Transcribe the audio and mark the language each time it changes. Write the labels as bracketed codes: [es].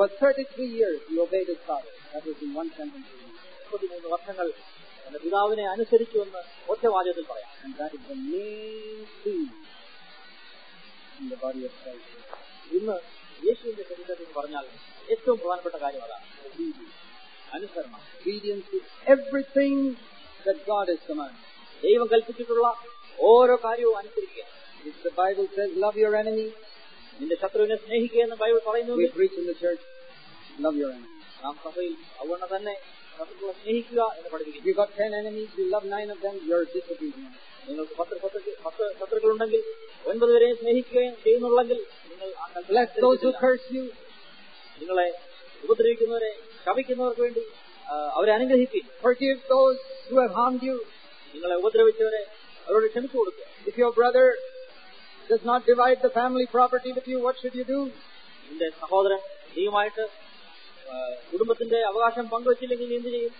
[en] For 33 years he obeyed his father. That is in one sentence. [ml] 33 വർഷങ്ങൾ തന്റെ പിതാവിനെ അനുസരിച്ചുവെന്ന് ഒറ്റ വാചകത്തിൽ പറയാം. [en] And that is the main thing in the body of Christ. [ml] ഇന്ന് യേശുവിന്റെ ശരീരത്തിൽ പറഞ്ഞാൽ ഏറ്റവും പ്രധാനപ്പെട്ട കാര്യം അതാണ് അനുസരണം. [en] Obedience is everything that God has commanded. [ml] ദൈവം കൽപ്പിച്ചിട്ടുള്ള ഓരോ കാര്യവും അനുസരിക്കുക. [en] If the Bible says love your enemy, [ml] നിന്റെ ശത്രുവിനെ സ്നേഹിക്കുക എന്ന് ബൈബിൾ പറയുന്നു. [en] We preach in the church, love your enemy. [ml] നാം സഭയിൽ അവനെ തന്നെ ശത്രുവിനെ സ്നേഹിക്കുക എന്ന് പഠിപ്പിക്കുന്നു. [en] You got 10 enemies, you love 9 of them, you're disobedient. [ml] നിങ്ങൾക്ക് 10 ശത്രുക്കളുണ്ടെങ്കിൽ 9 പേരെ സ്നേഹിക്കുകയും ചെയ്യുന്നുണ്ടെങ്കിൽ നിങ്ങൾ [en] bless those who curse you. [ml] നിങ്ങളെ ഉപദ്രവിക്കുന്നവരെ ശപിക്കുന്നവർക്ക് വേണ്ടി അവരെ അനുഗ്രഹിക്കുക. [en] Forgive those who have harmed you. [ml] നിങ്ങളെ ഉപദ്രവിച്ചവരെ അവരോട് ക്ഷമിച്ചു കൊടുക്കുക. [en] If your brother does not divide the family property with you, what should you do? [ml] നിന്റെ സഹോദരൻ നീയുമായിട്ട് കുടുംബത്തിന്റെ അവകാശം പങ്കുവച്ചില്ലെങ്കിൽ എന്ത്